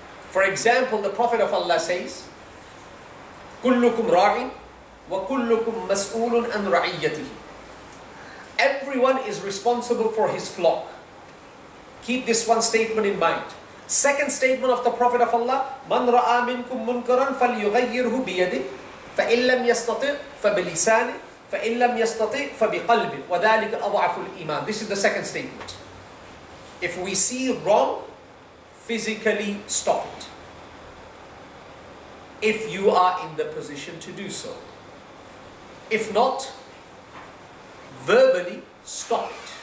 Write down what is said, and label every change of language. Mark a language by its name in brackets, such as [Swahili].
[English] For example, the Prophet of Allah says, [Arabic] كُلُّكُمْ رَعِينَ وَكُلُّكُمْ مَسْئُولٌ أَنْ رَعِيَّتِهِ. [English] Everyone is responsible for his flock. Keep this one statement in mind. Second statement of the Prophet of Allah, [Arabic] مَنْ رَآ مِنْكُمْ مُنْكَرًا فَلْيُغَيِّرْهُ بِيَدِهِ فَإِنْ لَمْ يَسْتَطِعْ فَبِلِسَانِهِ فَإِنْ لَمْ يَسْتَطِعْ فَبِقَلْبِهِ وَذَلِكَ أَضْعَفُ الْإِيمَانِ. [English] This is the second statement. If we see wrong, physically stop it. If you are in the position to do so. If not, verbally stop it.